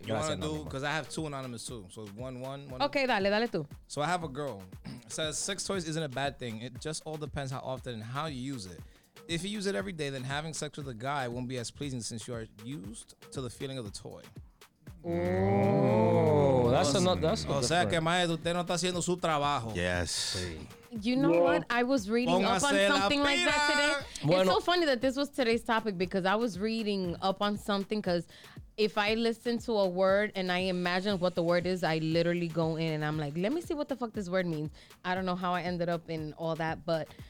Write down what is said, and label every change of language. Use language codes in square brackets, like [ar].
[en] You want to do, because I have 2 anonymous too. So one. [es] Okay, dale tú. [en] So I have a girl. It says, 6 toys isn't a bad thing. It just all depends how often and how you use it. If you use it every day, then having sex with a guy won't be as pleasing since you are used to the feeling of the toy. Oh, that's [es] O sea, que más usted no está haciendo su trabajo. [en] Yes. You know what? I was reading up on something like that today. Bueno. It's so funny that this was today's topic because I was reading up on something because if I listen to a word and I imagine what the word is, I literally go in and I'm like, let me see what the fuck this word means. I don't know how I ended up in all that, but...